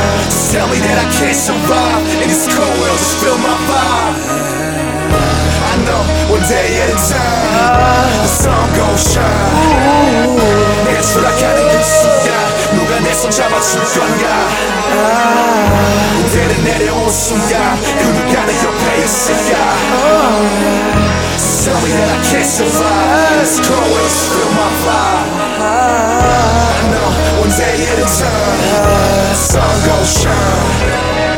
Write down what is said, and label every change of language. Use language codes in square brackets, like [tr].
[en] Just tell me that I can't survive, and it's cold, well, just spill my vibe. I know, one day at a time, the sun gon' shine. [ko] 내가 추락하는 그 순간, 누가 내 손 잡아줄 건가. 무대를 내려온 순간 그 누가 내 옆에 있을까. [en] So tell me that I can't survive. It's cold when you spill my vibe. I know one day at a time the sun gon' shine.